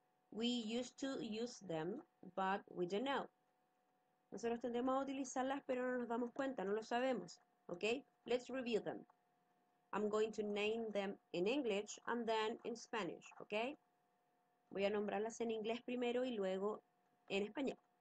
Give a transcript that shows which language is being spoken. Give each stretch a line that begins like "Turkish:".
English: We used to use them, but we don't know.
Spanish: Nosotros tendemos a utilizarlas, pero no nos damos cuenta, no lo sabemos.
English: Okay? Let's review them. I'm going to name them in English and then in Spanish. Okay?
Spanish: Voy a nombrarlas en inglés primero y luego en español.